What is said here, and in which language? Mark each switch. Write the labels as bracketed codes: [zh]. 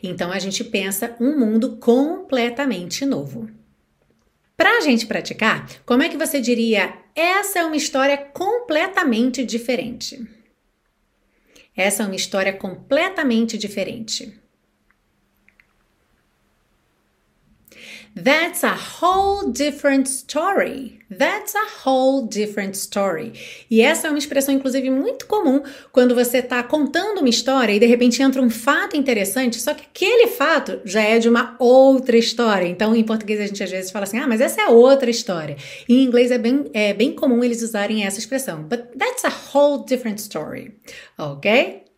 [pt] Então a gente pensa um mundo completamente novo. Para a gente praticar, como é que você diria essa é uma história completamente diferente? Essa é uma história completamente diferente. [en] That's a whole different story. That's a whole different story. [pt] E essa é uma expressão, inclusive, muito comum quando você está contando uma história e, de repente, entra um fato interessante, só que aquele fato já é de uma outra história. Então, em português, a gente, às vezes, fala assim, ah, mas essa é outra história. Em inglês, é bem comum eles usarem essa expressão. [en] But that's a whole different story. Ok?